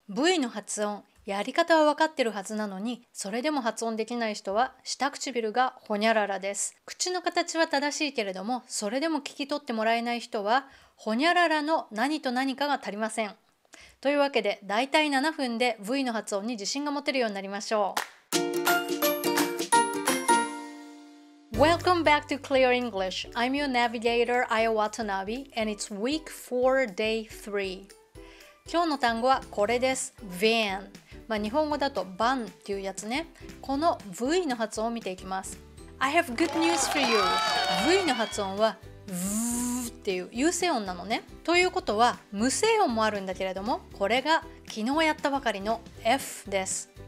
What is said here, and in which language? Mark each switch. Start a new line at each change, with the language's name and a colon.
Japanese: V の発音、やり方は分かってるはずなのに、それでも発音できない人は下唇がほにゃららです。口の形は正しいけれども、それでも聞き取ってもらえない人は、ほにゃららの何と何かが足りません。というわけで、だいたい7分で V の発音に自信が持てるようになりましょう。
English: Welcome back to Clear English. I'm your navigator, Aya Watanabe, and it's week 4, day 3.
Japanese: 今日の単語はこれです。van、まあ、日本語だと van っていうやつね。この V の発音を見ていきます。
English: I have good news for you。
Japanese: V の発音は V っていう有声音なのね。ということは無声音もあるんだけれども、これが昨日やったばかりの F です。